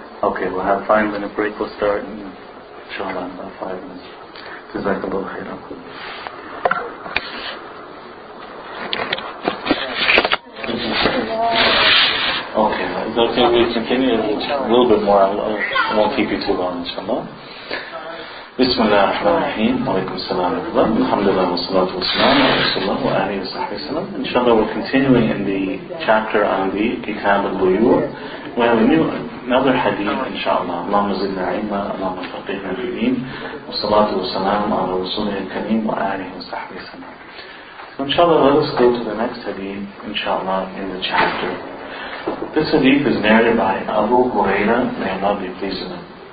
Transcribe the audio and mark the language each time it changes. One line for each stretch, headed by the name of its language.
English: Okay, we'll have 5 minute break. We'll start in inshallah about 5 minutes. JazakAllah khair. Okay, is that okay? We continue a little bit more. I won't keep you too long, inshallah.
Arabic: بسم الله الرحمن الرحيم وعليكم السلام ورحمة الله الحمد لله والصلاة والسلام على رسول الله وعلى آله وصحبه وسلم. إن شاء الله
English: we're continuing in the chapter on the
Arabic: كتاب البيوع.
English: We have another hadith
Arabic: إن شاء الله. اللهم زدنا علما اللهم فقهنا في الدين والصلاة والسلام على رسوله الكريم وعلى آله وصحبه وسلم.
English: So
Arabic: إن شاء الله
English: let us go to the next hadith إن شاء الله in the chapter. This hadith is narrated by Abu Huraira, may Allah be pleased with him.